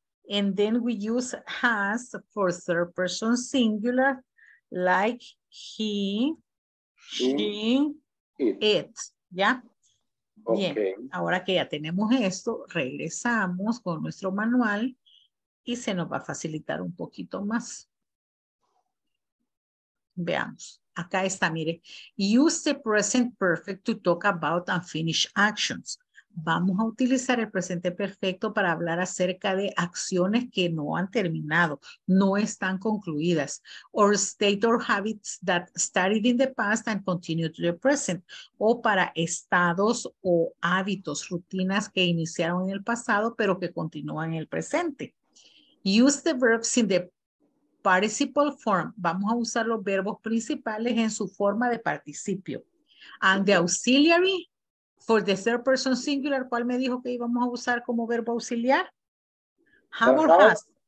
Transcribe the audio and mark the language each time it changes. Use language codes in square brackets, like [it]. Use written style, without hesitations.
[en] And then we use has for third person singular, like he, she, it. [es] ¿Ya? Okay. Bien, ahora que ya tenemos esto, regresamos con nuestro manual y se nos va a facilitar un poquito más. Veamos. Acá está, mire. [en] Use the present perfect to talk about unfinished actions. [es] Vamos a utilizar el presente perfecto para hablar acerca de acciones que no han terminado, no están concluidas. [en] Or state or habits that started in the past and continue to the present. [es] O para estados o hábitos, rutinas que iniciaron en el pasado pero que continúan en el presente. [en] Use the verbs in the participle form. [es] Vamos a usar los verbos principales en su forma de participio. [en] And the auxiliary. For the third person singular, [es] ¿cuál me dijo que íbamos a usar como verbo auxiliar? [en] Have or has.